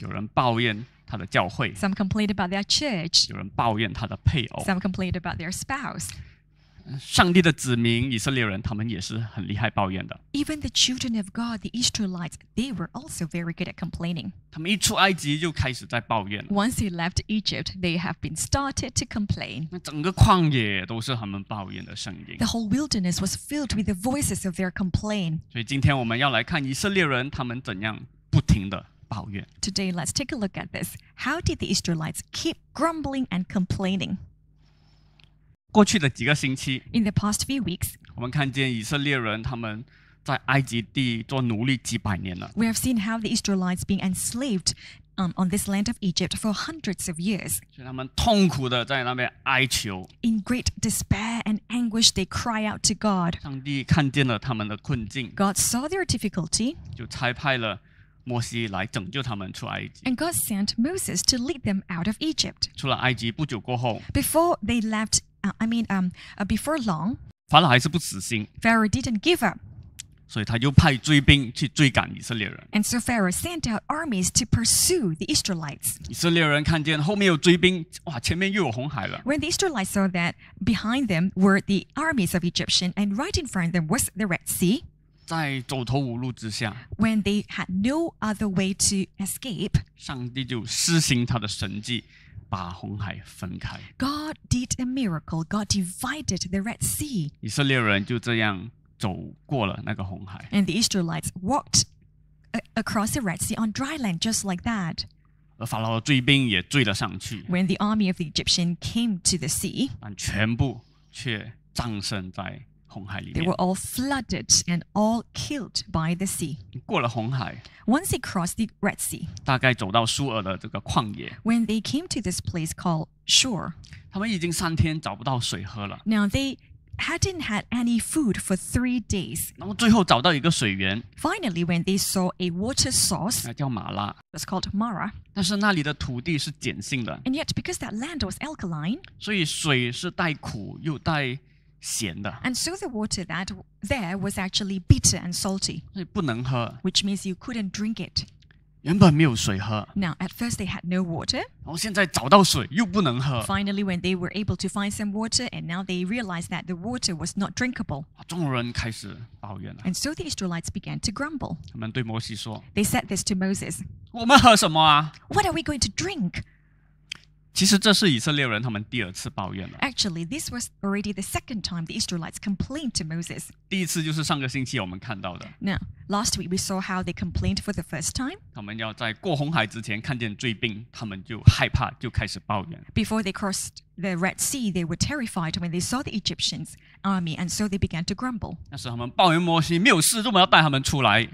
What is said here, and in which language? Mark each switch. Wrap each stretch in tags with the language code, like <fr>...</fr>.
<zh>有人抱怨他的教会。</zh> <en>Some complain about their church.</en> <zh>有人抱怨他的配偶。</zh> <en>Some complain about their spouse.</en> <zh>上帝的子民以色列人他们也是很厉害抱怨的。</zh> <en>Even the children of God, the Israelites, they were also very good at complaining.</en> <zh>他们一出埃及就开始在抱怨。</zh> <en>Once they left Egypt, they have been started to complain.</en> <zh>整个旷野都是他们抱怨的声音。</zh> <en>The whole wilderness was filled with the voices of their complaint.</en> <zh>所以今天我们要来看以色列人他们怎样不停的抱怨。</zh> <en>Today, let's take a look at this. How did the Israelites keep grumbling and complaining?</en> <zh>过去的几个星期</zh> <en>In the past few weeks,</en> <zh>我们看见以色列人他们在埃及地做奴隶几百年了</zh> <en>We have seen how the Israelites being enslaved on this land of Egypt for hundreds of years.</en> <zh>所以他们痛苦的在那边哀求</zh> <en>In great despair and anguish, they cry out to God.</en> <zh>上帝看见了他们的困境</zh> <en>God saw their difficulty.</en> <zh>就差派了摩西来拯救他们出埃及</zh> <en>And God sent Moses to lead them out of Egypt.</en> <zh>出了埃及不久过后</zh> <en>Before they left Egypt,before long,</en> <zh>Pharaoh 还是不死心</zh> <en>Pharaoh didn't give up.</en> <zh>所以他就派追兵去追赶以色列人</zh> <en>And so Pharaoh sent out armies to pursue the Israelites.</en> <zh>以色列人看见后面有追兵，哇，前面又有红海了</zh> <en>When the Israelites saw that behind them were the armies of Egyptians and right in front of them was the Red Sea,</en> <zh>在走投无路之下</zh> <en>when they had no other way to escape,</en> <zh>上帝就施行他的神迹。把红海分开。</zh> <en>God did a miracle. God divided the Red Sea.</en> <zh>以色列人就这样走过了那个红海。</zh> <en>And the Israelites walked across the Red Sea on dry land just like that.</en> <zh>而法老的追兵也追了上去。</zh> <en>When the army of the Egyptian came to the sea,</en> <zh>但全部却葬身在红海里面。</zh> <en>They were all flooded and all killed by the sea.</en> <zh>过了红海。</zh> <en>Once they crossed the Red Sea,</en> <zh>大概走到苏尔的这个旷野。</zh> <en>When they came to this place called Shur,</en> <zh>他们已经三天找不到水喝了。</zh> <en>Now they hadn't had any food for 3 days.</en> <zh>然后最后找到一个水源。</zh> <en>Finally, when they saw a water source,</en> <zh>那叫马拉。</zh> <en>It's called Mara.</en> <zh>但是那里的土地是碱性的。</zh> <en>And yet, because that land was alkaline,</en> <zh>所以水是带苦又带咸的</zh> <en>and so the water that there was actually bitter and salty,</en> <zh>不能喝</zh> <en>which means you couldn't drink it.</en> <zh>原本没有水喝</zh> <en>Now, at first they had no water.</en> <zh>然后现在找到水又不能喝</zh> <en>Finally, when they were able to find some water, and now they realized that the water was not drinkable.</en> <zh>众人开始抱怨了</zh> <en>And so the Israelites began to grumble.</en> <zh>他们对摩西说</zh> <en>They said this to Moses.</en> <zh>我们喝什么啊</zh> <en>What are we going to drink?</en> <zh>其实这是以色列人他们第二次抱怨了。</zh> <en>Actually, this was already the second time the Israelites complained to Moses.</en> <zh>第一次就是上个星期我们看到的。</zh> <en>Now, last week we saw how they complained for the first time.</en> <zh>他们要在过红海之前看见追兵，他们就害怕，就开始抱怨。</zh> <en>Before they crossed the Red Sea, they were terrified when they saw the Egyptians' army, and so they began to grumble.</en> <zh>那时他们抱怨摩西没有事，怎么要带他们出来</zh>